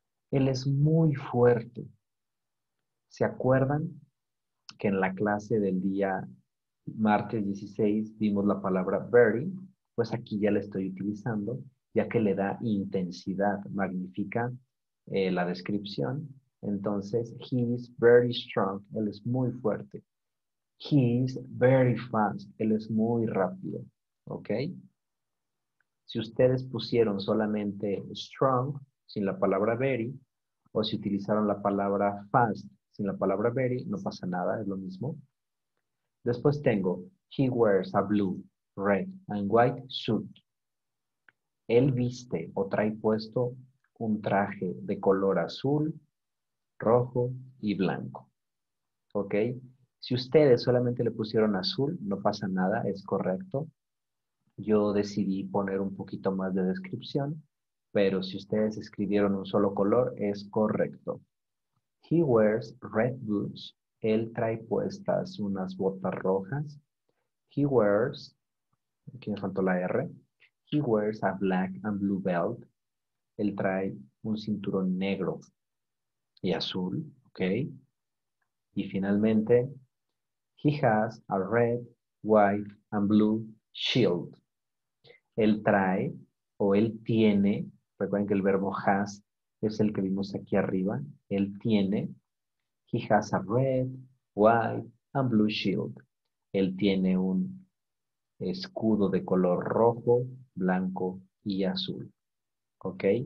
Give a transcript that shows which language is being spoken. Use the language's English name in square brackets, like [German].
[Spanish] Él es muy fuerte. ¿Se acuerdan que en la clase del día martes 16 vimos la palabra very? Pues aquí ya la estoy utilizando, ya que le da intensidad, magnifica la descripción. [English] Entonces, he is very strong. [Spanish] Él es muy fuerte. [English] He is very fast. [Spanish] Él es muy rápido. ¿Ok? Si ustedes pusieron solamente strong sin la palabra very, o si utilizaron la palabra fast sin la palabra very, no pasa nada, es lo mismo. Después tengo, [English] he wears a blue, red and white suit. [Spanish] Él viste o trae puesto un traje de color azul, rojo y blanco. ¿Ok? Si ustedes solamente le pusieron azul, no pasa nada, es correcto. Yo decidí poner un poquito más de descripción, pero si ustedes escribieron un solo color, es correcto. [English] He wears red boots. [Spanish] Él trae puestas unas botas rojas. [English] He wears, [Spanish] aquí me faltó la R. [English] He wears a black and blue belt. [Spanish] Él trae un cinturón negro y azul, ¿ok? Y finalmente, [English] he has a red, white and blue shield. [Spanish] Él trae o él tiene, recuerden que el verbo has es el que vimos aquí arriba, él tiene, [English] he has a red, white and blue shield. [Spanish] Él tiene un escudo de color rojo, blanco y azul. ¿Ok?